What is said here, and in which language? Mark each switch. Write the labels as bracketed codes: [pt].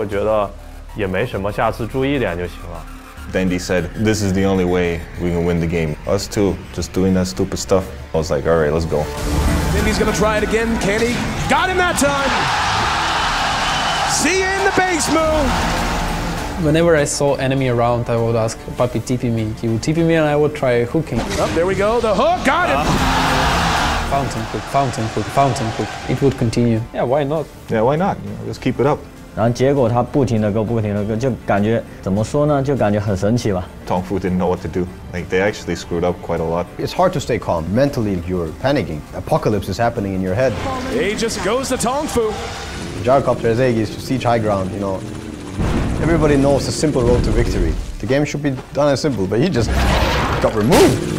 [zh] 但是突然被勾的时候，其实一开始，因为那局我们优势很大嘛，一开始我觉得也没什么，下次注意一点就行了。 [en] Dendy said, this is the only way we can win the game. Us two, just doing that stupid stuff. I was like, all right, let's go. Dendy's gonna try it again, can he? Got him that time! See you in the base move! Whenever I saw enemy around, I would ask Puppy TP me. He would TP me and I would try hooking. Oh, there we go, the hook, got him! Fountain hook, fountain hook, fountain hook. It would continue. Yeah, why not? Yeah, why not? You know, just keep it up. [zh] 然后结果他不停地勾，就感觉怎么说呢？就感觉很神奇吧。 [en] Tongfu didn't know what to do. Like, they actually screwed up quite a lot. It's hard to stay calm. Mentally, you're panicking. Apocalypse is happening in your head. He just goes to Tongfu. Gyrocopter Aegis, you see high ground, you know. Everybody knows the simple road to victory. The game should be done as simple, but he just got removed.